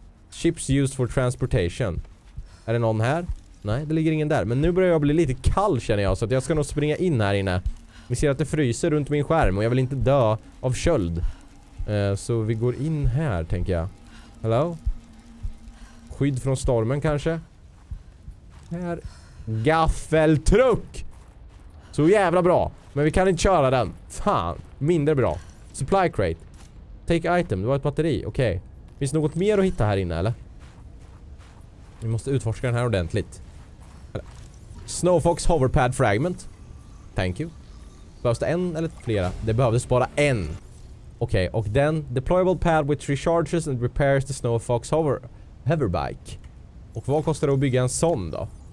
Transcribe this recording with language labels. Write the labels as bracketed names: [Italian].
[English] Ships used for transportation. [Swedish] Är det någon här? Nej, det ligger ingen där. Men nu börjar jag bli lite kall känner jag. Så att jag ska nog springa in här inne. Vi ser att det fryser runt min skärm och jag vill inte dö av köld. Så vi går in här, tänker jag. [English] Hello? [Swedish] Skydd från stormen, kanske? Här. Gaffeltruck! Så jävla bra! Men vi kan inte köra den. Fan, mindre bra. Supply crate. [English] Take item, [Swedish] det var ett batteri. Okej. Okay. Finns det något mer att hitta här inne, eller? Vi måste utforska den här ordentligt. [English] Snowfox hoverpad fragment. Thank you. [Swedish] Behövs det en eller flera? Det behövdes bara en. Okej, okay, och den. [English] Deployable pad which recharges and repairs the Snowfox hoverbike. [Swedish] Och vad kostar det att bygga en sån då?